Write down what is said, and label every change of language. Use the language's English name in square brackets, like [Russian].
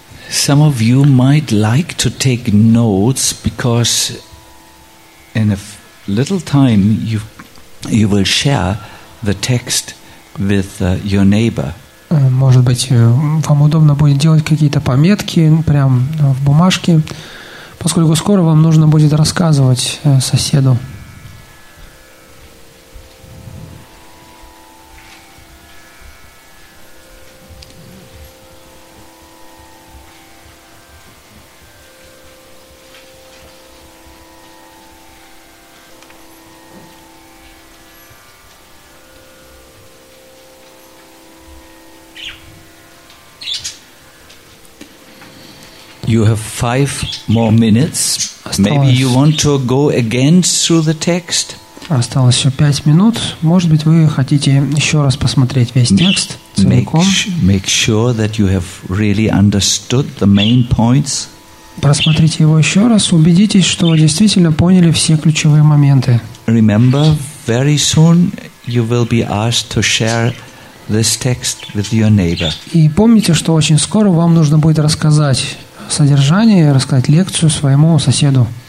[English] Some of you might like to take notes because in a little time you will share the text with your neighbor. [Russian] Может быть, вам удобно будет делать какие-то пометки прямо в бумажке, поскольку скоро вам нужно будет рассказывать соседу. [English] You have 5 more minutes. [Russian] Осталось. [English] Maybe you want to go again through the text. [Russian] Осталось еще 5 минут. Может быть, вы хотите еще раз посмотреть весь текст целиком. [English] Make sure that you have really understood the main points. [Russian] Просмотрите его еще раз. Убедитесь, что вы действительно поняли все ключевые моменты. [English] Remember, very soon you will be asked to share this text with your neighbor. [Russian] И помните, что очень скоро вам нужно будет рассказать содержание, рассказать лекцию своему соседу.